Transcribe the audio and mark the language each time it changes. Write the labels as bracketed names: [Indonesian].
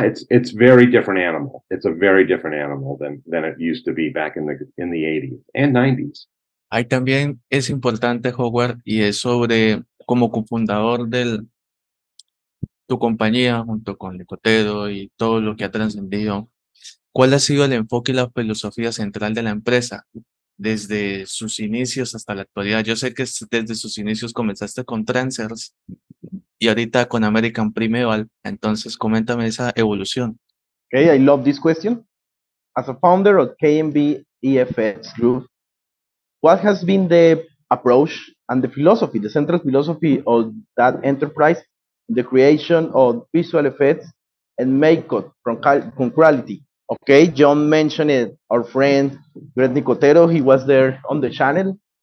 [English] It's very different animal. It's a very different animal than it used to be back in the 80s and 90s. [Spanish] Ahí también es importante, Howard, y es sobre como cofundador de tu compañía junto con Licotero y todo lo que ha trascendido, ¿cuál ha sido el enfoque y la filosofía central de la empresa desde sus inicios hasta la actualidad? Yo sé que desde sus inicios comenzaste con Trancers y ahorita con American Primeval. Entonces, coméntame esa evolución. [English] Okay, I love this question. As a founder of K&B EFX Group, what has been the approach and the philosophy, the central philosophy of that enterprise, the creation of visual effects and Maycott from Quality. Okay, Jhon mentioned it, our friend Greg Nicotero, he was there on the channel.